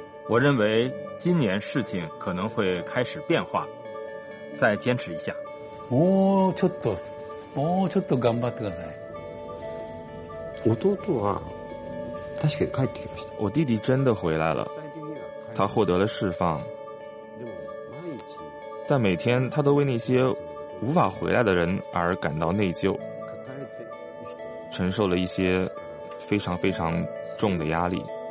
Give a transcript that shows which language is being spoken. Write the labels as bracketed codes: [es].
[zh] 我认为今年事情可能会开始变化，再坚持一下。 [ja] もうちょっと頑張ってください。弟は確かに帰ってきました。 [zh] 我弟弟真的回来了，他获得了释放，但每天他都为那些无法回来的人而感到内疚，承受了一些非常非常重的压力。